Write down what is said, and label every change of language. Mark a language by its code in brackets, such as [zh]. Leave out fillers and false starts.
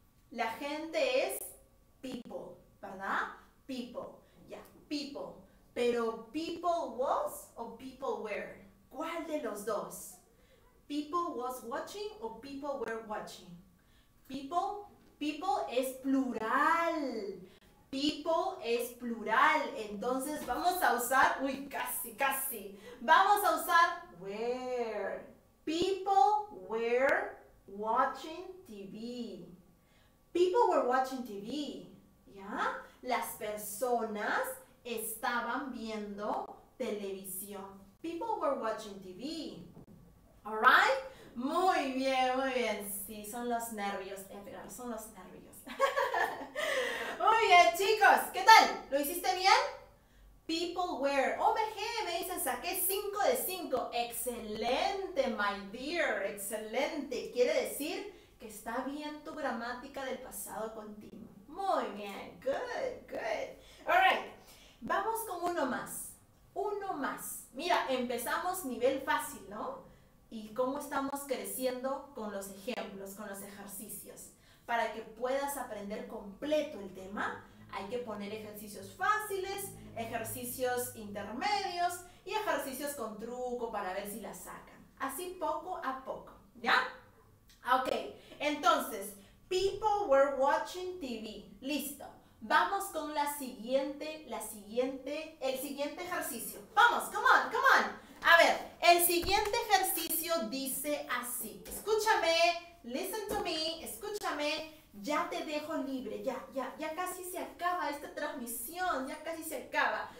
[es] La gente es people, ¿verdad? [en] People. Ya, people. [es] Pero [en] people was [es] o [en] people were. [es] ¿Cuál de los dos? [en] People was watching o people were watching. [es] People es plural. People es plural. Entonces vamos a usar, uy, casi. Vamos a usar were. [en] People were watching TV. People were watching TV. [es] ¿Ya? Las personas estaban viendo televisión. [en] People were watching TV. Alright? [es] Muy bien, muy bien. Sí, son los nervios. Edgar, son los nervios. Muy bien, chicos. ¿Qué tal? ¿Lo hiciste bien? [en] People were. [es] OBG, me dicen, saqué 5 de 5. Excelente, [en] my dear. [es] Excelente. Quiere decir que está bien tu gramática del pasado continuo. Muy bien. [en] Good. Alright. [es] Vamos con uno más. Uno más. Mira, empezamos nivel fácil, ¿no? Y cómo estamos creciendo con los ejemplos, con los ejercicios. Para que puedas aprender completo el tema, hay que poner ejercicios fáciles, ejercicios intermedios y ejercicios con truco para ver si la sacan. Así poco a poco, ¿ya? [en] Ok, entonces, people were watching TV. [es] Listo. Vamos con el siguiente ejercicio. Vamos, [en] come on. [es] A ver, el siguiente ejercicio dice así. Escúchame, [en] listen to me, [es] escúchame. Ya te dejo libre, ya casi se acaba esta transmisión, ya casi se acaba.